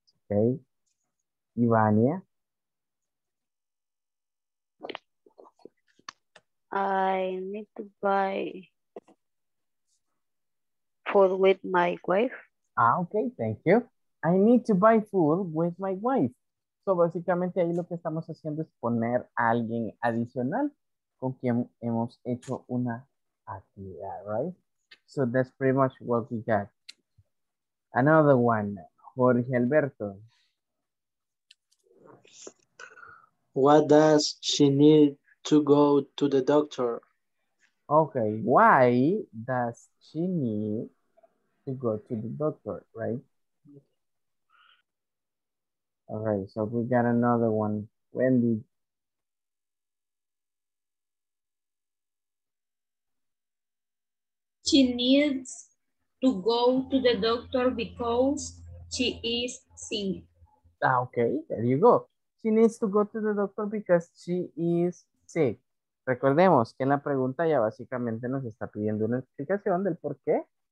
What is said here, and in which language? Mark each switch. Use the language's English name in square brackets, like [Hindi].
[English] Okay, Ivania. I need to buy food with my wife. Ah, okay, thank you. I need to buy food with my wife. [Spanish] So, básicamente, ahí lo que estamos haciendo es poner a alguien adicional con quien hemos hecho una actividad, right? [English] So, that's pretty much what we got. Another one, Jorge Alberto. What does she need to go to the doctor? Okay, why does she need to go to the doctor, right? All right, so we got another one. Wendy. She needs to go to the doctor because she is sick. Okay, there you go. She needs to go to the doctor because she is sick. [Spanish] Recordemos que en la pregunta ya básicamente nos está pidiendo una explicación del por qué.